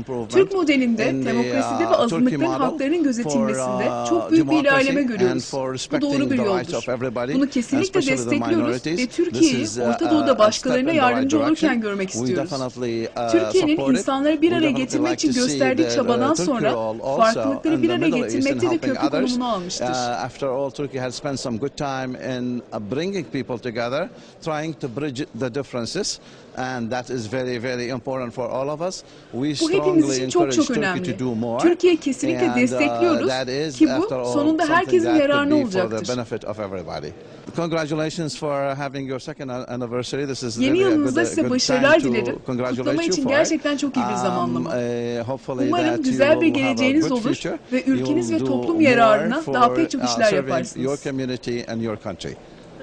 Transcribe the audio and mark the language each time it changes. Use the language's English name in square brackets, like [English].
[Turkish] Türk modelinde, demokraside ve azınlıkların haklarının gözetilmesinde çok büyük bir ilerleme görüyoruz. Bu doğru bir yoldur. Bunu kesinlikle destekliyoruz ve Türkiye'yi Orta Doğu'da başkalarına yardımcı olurken görmek istiyoruz. Türkiye'nin insanları bir araya getirmek için gösterdiği çabadan sonra farklılıkları bir araya getirmekte de köprü konumunu almıştır. [English] After all, Turkey has spent some good time in bringing people together, trying to bridge the differences. And that is very, very important for all of us. We strongly encourage Turkey to do more. Türkiye kesinlikle destekliyoruz ki bu sonunda herkesin yararına olacaktır. Congratulations for having your second anniversary. This is [Turkish] yeni [English] really a good, [Turkish] size başarılar dilerim. Kutlama için gerçekten çok iyi bir zamanlama. Umarım güzel bir geleceğiniz olur ve ülkeniz ve toplum yararına daha pek çok işler yaparsınız.